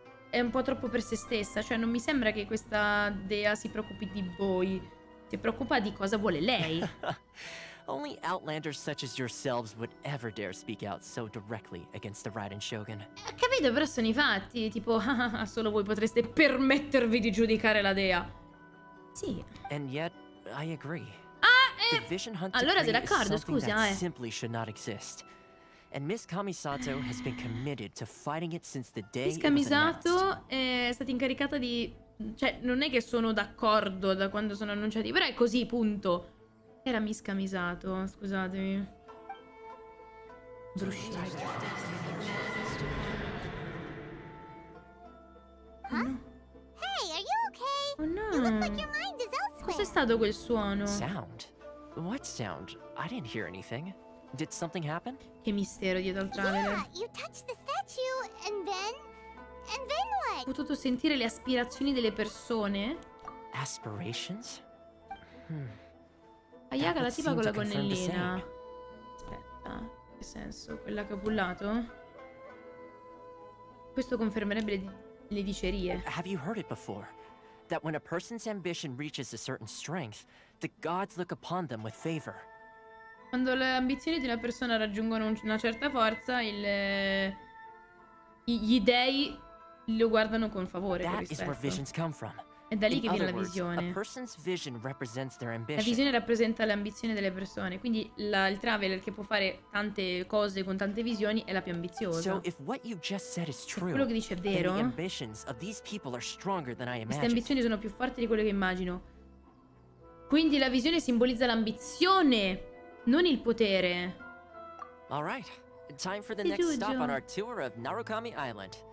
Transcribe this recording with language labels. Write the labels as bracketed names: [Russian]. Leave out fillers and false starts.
[Italian] È un po' troppo per se stessa, cioè non mi sembra che questa dea si preoccupi di voi. Si preoccupa di cosa vuole lei. [English] Only outlanders such as yourselves would ever dare speak out so directly against the Raiden Shogun. [Italian] Capito, però sono i fatti, tipo solo voi potreste permettervi di giudicare la dea. Sì. [English] And yet I agree. [Italian] Allora sei d'accordo, scusa, [English] Simply should not exist. And Miss Kamisato has been committed to fighting it since the day it was announced. [Italian] Miss Kamisato è stata incaricata di Cioè, non è che sono d'accordo da quando sono annunciati, però è così, punto. Era Miss Kamisato, scusatemi. Bruscita. [English] Huh? No. Hey, are you okay? Oh no. You look like your mind is elsewhere. [Italian] Cos'è stato quel suono? [English] Sound. What sound? I didn't hear anything. Did something happen? [Italian] Che mistero dietro al trailer. [English] Yeah, you touched the statue and then [Italian] ho potuto sentire le aspirazioni delle persone? [English] Aspirations? [Italian] Ayaka, la tipa con la gonnellina. Aspetta, che senso? Quella che ho bullato? Questo confermerebbe le dicerie. [English] Have you heard it before? That when a person's ambition reaches a certain strength, the gods look upon them with favor. [Italian] Quando le ambizioni di una persona raggiungono una certa forza, gli dei lo guardano con favore, con rispetto. È da lì che viene la visione. La visione rappresenta le ambizioni delle persone. Quindi il traveler che può fare tante cose con tante visioni è la più ambiziosa. Se quello che dice è vero, queste ambizioni sono più forti di quelle che immagino. Quindi la visione simbolizza l'ambizione, non il potere. [English] Time for the next stop on our tour of Narukami Island.